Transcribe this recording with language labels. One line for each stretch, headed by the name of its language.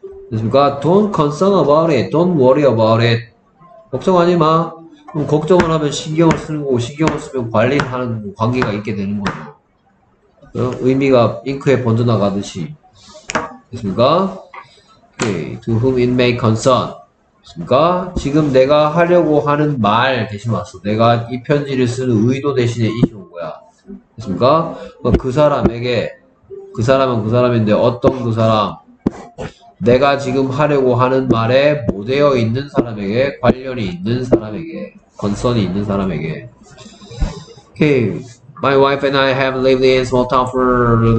Korean: 그러니까
English: don't concern about it, don't worry about it.
Korean: 걱정하지 마. 그럼 걱정을 하면 신경을 쓰는 거고 신경을 쓰면 관리를 하는 거고 관계가 있게 되는 거죠. 의미가 잉크에 번져나가듯이. 됐습니까?
English: Okay. To whom it may concern.
Korean: 됐습니까? 지금 내가 하려고 하는 말 대신 왔어. 내가 이 편지를 쓰는 의도 대신에 이용한 거야. 됐습니까? 그 사람에게, 그 사람은 그 사람인데 어떤 그 사람? 내가 지금 하려고 하는 말에 못되어 있는 사람에게, 관련이 있는 사람에게, 건선이 있는 사람에게. Okay.
English: My wife and I have lived in small town for...